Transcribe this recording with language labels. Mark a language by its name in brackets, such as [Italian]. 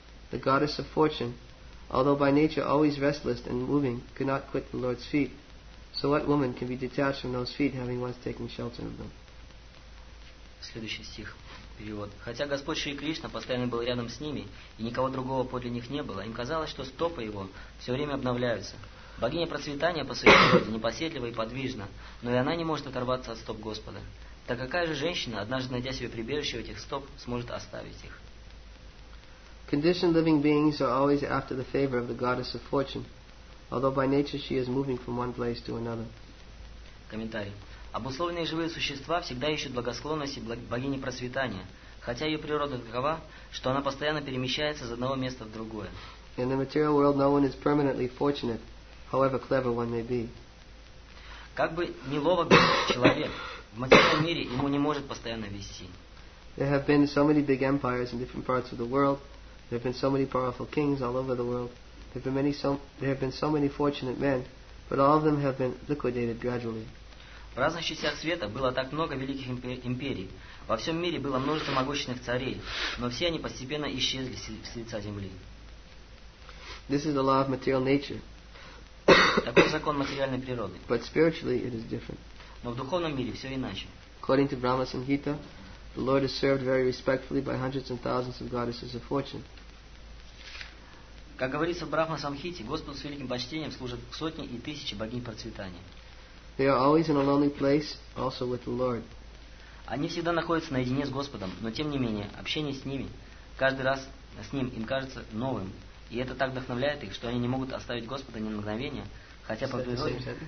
[English] The goddess of fortune, although by nature always restless and moving, could not quit the Lord's feet. So what woman can be detached from those feet, having once taken shelter of them? [Russian] Следующий стих. Перевод. Хотя Господь Шри Кришна постоянно был рядом с ними, и никого другого подле них не было, им казалось, что стопы его все время обновляются. Богиня процветания по своей природе непоседлива и подвижна, но и она не может оторваться от стоп Господа. Так какая же женщина, однажды найдя себе прибежище у этих стоп, сможет оставить их? [English] Conditioned living beings are always after the favor of the goddess of fortune, although by nature she is moving from one place to another. [Russian] Комментарий. Обусловленные живые существа всегда ищут благосклонности богини процветания, хотя ее природа такова, что она постоянно перемещается из одного места в другое. [English] In the material world no one is permanently fortunate, however clever one may be. [Russian] Как бы неловок был человек, в материальном мире ему не может постоянно вести. [English] There have been so many big empires in different parts of the world. There have been so many powerful kings all over the world. There have been so many fortunate men, but all of them have been liquidated gradually. [Russian] В разных частях света было так много великих империй. Во всем мире было множество могущественных царей, но все они постепенно исчезли с лица земли. [English] This is the law of material nature. [Russian] Такой закон материальной природы. [English] But spiritually it is different. [Russian] Но в духовном мире все иначе. [English] According to Brahma Samhita, the Lord is served very respectfully by hundreds and thousands of goddesses of fortune. [Russian] Как говорится в Брахма Самхите, Господу с великим почтением служат сотни и тысячи богинь процветания. [English] They are always in a lonely place, also with the Lord. [Russian] Они всегда находятся наедине с Господом, но тем не менее, общение с ними, каждый раз с ним им кажется новым, и это так вдохновляет их, что они не могут оставить Господа ни на мгновение, хотя по природе...